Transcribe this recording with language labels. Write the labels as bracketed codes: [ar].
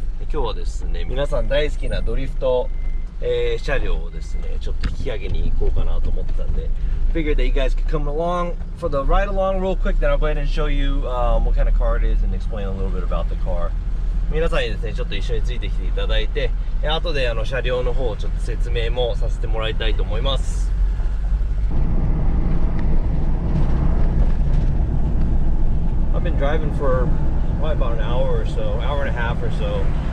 [ja] 今日はですね、皆さん大好きなドリフト、車両をですね、ちょっと引き上げに行こうかなと思ったんで。 [en] Figured that you guys could come along for the ride along real quick, then I'll go ahead and show you what kind of car it is and explain a little bit about the car. [ja] 皆さんにですね、ちょっと一緒についてきていただいて、後で車両の方をちょっと説明もさせてもらいたいと思います。 [en] I've been driving for probably about an hour or so, hour and a half or so.